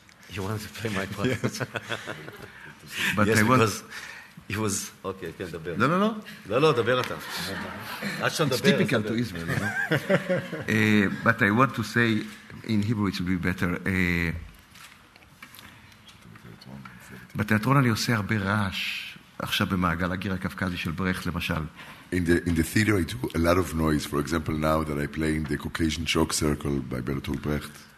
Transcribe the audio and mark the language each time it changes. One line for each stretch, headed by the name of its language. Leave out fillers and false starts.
English: You want to play my part? Yes. But yes, it was okay. No.
Hebrew: Daber ata.
English: It's typical to Israel. No? but I want to say in Hebrew, it would be better.
Hebrew: בתיאטרון אני עושה הרבה רעש עכשיו במעגל הגיר הקפקזי של ברכט למשל.
English: In the theater I do a lot of noise, for example now that I play in the Caucasian Chalk Circle by Bertolt Brecht.